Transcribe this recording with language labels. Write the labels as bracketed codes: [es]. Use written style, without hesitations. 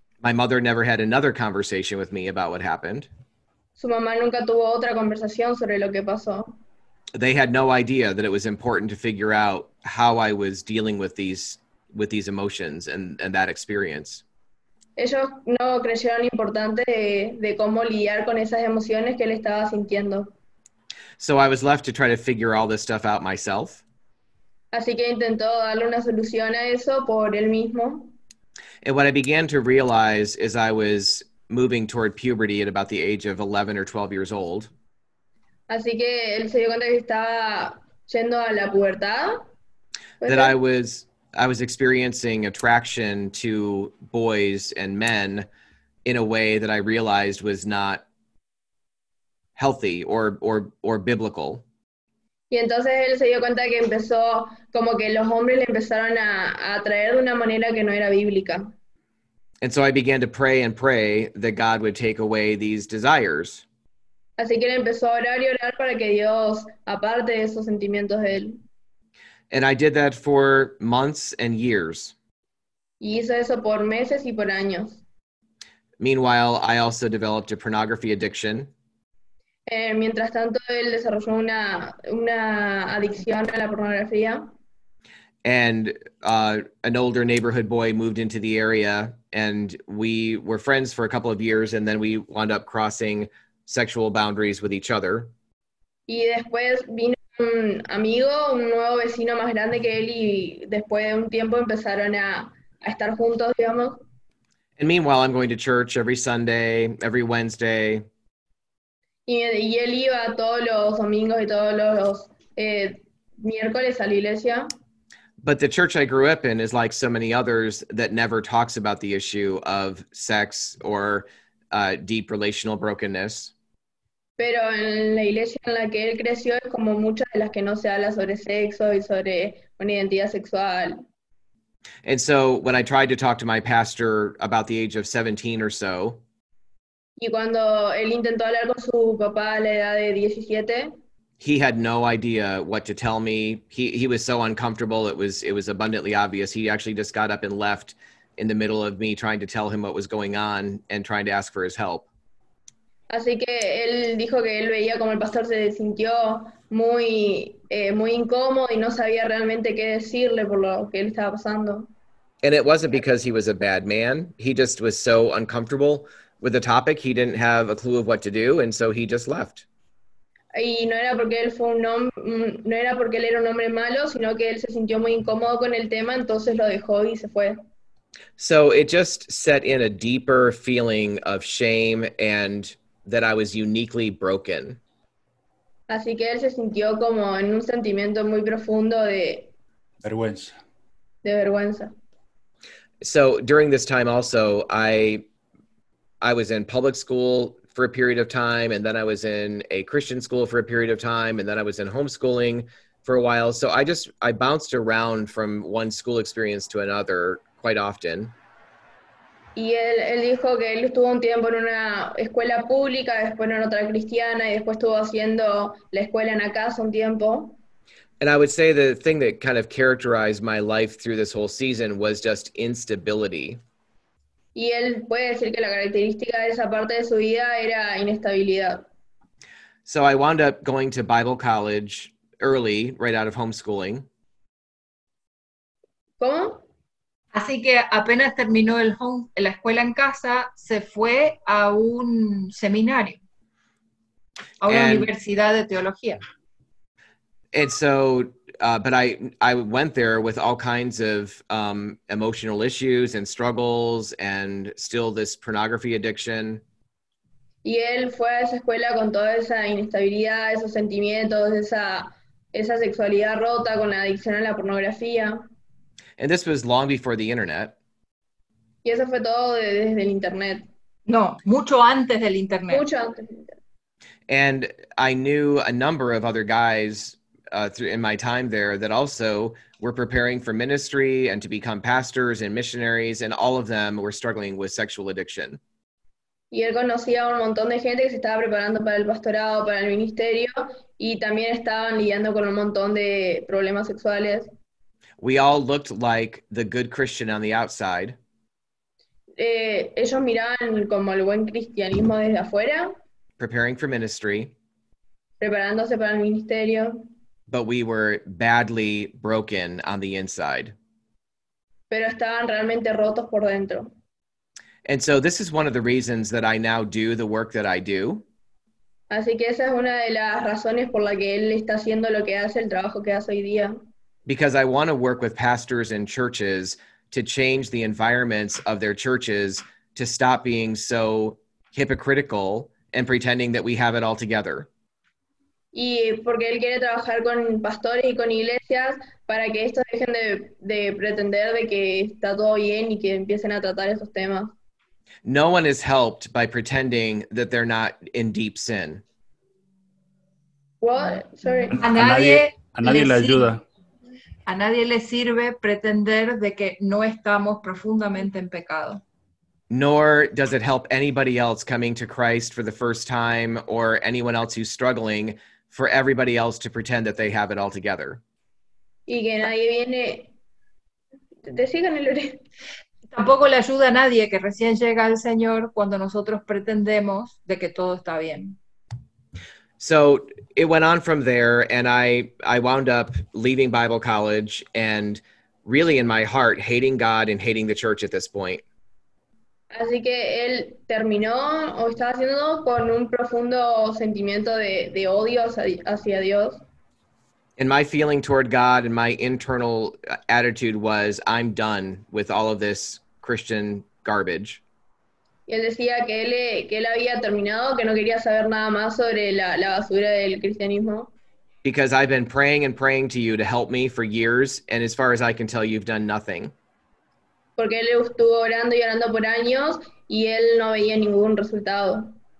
[en] My mother never had another conversation with me about what happened. [es] Su mamá nunca tuvo otra conversación sobre lo que pasó. [en] They had no idea that it was important to figure out how I was dealing with these emotions and that experience. [es] Ellos no creyeron importante de cómo lidiar con esas emociones que él estaba sintiendo. [en] So I was left to try to figure all this stuff out myself. [es] Así que intentó darle una solución a eso por él mismo. [en] And what I began to realize is I was moving toward puberty at about the age of 11 or 12 years old. [es] Así que él se dio cuenta que estaba yendo a la pubertad. [en] That I was experiencing attraction to boys and men in a way that I realized was not healthy or biblical. [es] Y entonces él se dio cuenta que empezó como que los hombres le empezaron a atraer de una manera que no era bíblica. [en] And so I began to pray and pray that God would take away these desires. [es] Así que él empezó a orar y orar para que Dios aparte de esos sentimientos de él. [en] And I did that for months and years. [es] Y hizo eso por meses y por años. [en] Meanwhile, I also developed a pornography addiction. [es] Mientras tanto, él desarrolló una adicción a la pornografía. [en] And an older neighborhood boy moved into the area, and we were friends for a couple of years, and then we wound up crossing sexual boundaries with each other. [es] Y después vino un amigo, un nuevo vecino más grande que él, y después de un tiempo empezaron a estar juntos, digamos. [en] And meanwhile, I'm going to church every Sunday, every Wednesday. [es] Y él iba todos los domingos y todos los miércoles a la iglesia. [en] But the church I grew up in is like so many others that never talks about the issue of sex or deep relational brokenness. [es] Pero en la iglesia en la que él creció es como muchas de las que no se habla sobre sexo y sobre una identidad sexual. [en] And so when I tried to talk to my pastor about the age of 17 or so. [es] Y cuando él intentó hablar con su papá a la edad de 17. [en] He had no idea what to tell me. He was so uncomfortable. It was abundantly obvious. He actually just got up and left in the middle of me trying to tell him what was going on and trying to ask for his help. [es] Así que él dijo que él veía como el pastor se sintió muy muy incómodo y no sabía realmente qué decirle por lo que él estaba pasando. [en] And it wasn't because he was a bad man. He just was so uncomfortable with the topic. He didn't have a clue of what to do, and so he just left. [es] Y no era porque él fue era un hombre malo, sino que él se sintió muy incómodo con el tema, entonces lo dejó y se fue. [en] So it just set in a deeper feeling of shame and that I was uniquely broken. [es] Así que él se sintió como en un sentimiento muy profundo de vergüenza. De vergüenza. [en] So during this time also, I was in public school for a period of time, and then I was in a Christian school for a period of time, and then I was in homeschooling for a while. So I bounced around from one school experience to another quite often. [es] Y él dijo que él estuvo un tiempo en una escuela pública, después en otra cristiana, y después estuvo haciendo la escuela en la casa un tiempo. [en] And I would say the thing that kind of characterized my life through this whole season was just instability. [es] Y él puede decir que la característica de esa parte de su vida era inestabilidad. [en] So I wound up going to Bible college early, right out of homeschooling. [es] ¿Cómo? Así que apenas terminó el home, la escuela en casa, se fue a un seminario, a una universidad de teología. [en] And so, but I went there with all kinds of emotional issues and struggles and still this pornography addiction. [es] Y él fue a esa escuela con toda esa inestabilidad, esos sentimientos, esa sexualidad rota con la adicción a la pornografía. [en] And this was long before the internet. [es] Y eso fue todo desde el internet. No, mucho antes del internet. Mucho antes del internet. [en] And I knew a number of other guys in my time there that also were preparing for ministry and to become pastors and missionaries, and all of them were struggling with sexual addiction. [es] Y él conocía un montón de gente que se estaba preparando para el pastorado, para el ministerio, y también estaban lidiando con un montón de problemas sexuales. [en] We all looked like the good Christian on the outside. [es] Ellos miraban como el buen cristianismo desde afuera. [en] Preparing for ministry. [es] Preparándose para el ministerio. [en] But we were badly broken on the inside. [es] Pero estaban realmente rotos por dentro. [en] And so this is one of the reasons that I now do the work that I do. [es] Así que esa es una de las razones por la que él está haciendo lo que hace, el trabajo que hace hoy día. [en] Because I want to work with pastors and churches to change the environments of their churches to stop being so hypocritical and pretending that we have it all together. [es] Y porque él quiere trabajar con pastores y con iglesias para que estos dejen de pretender de que está todo bien y que empiecen a tratar esos temas. [en] No one is helped by pretending that they're not in deep sin. What? Sorry. [es] A nadie le ayuda. A nadie le sirve pretender de que no estamos profundamente en pecado. [en] Nor does it help anybody else coming to Christ for the first time or anyone else who's struggling for everybody else to pretend that they have it all together. [es] Y que nadie viene... Te sigan el... Tampoco le ayuda a nadie que recién llega al Señor cuando nosotros pretendemos de que todo está bien. [en] So it went on from there, and I wound up leaving Bible college and really in my heart hating God and hating the church at this point. [es] Así que él terminó o estaba haciendo con un profundo sentimiento de odio hacia Dios. [en] And my feeling toward God and my internal attitude was, I'm done with all of this Christian garbage. [es] Y él decía que él había terminado, que no quería saber nada más sobre la basura del cristianismo. [en] Because I've been praying and praying to you to help me for years, and as far as I can tell, you've done nothing. [es] Porque él estuvo orando y orando por años, y él no veía ningún resultado.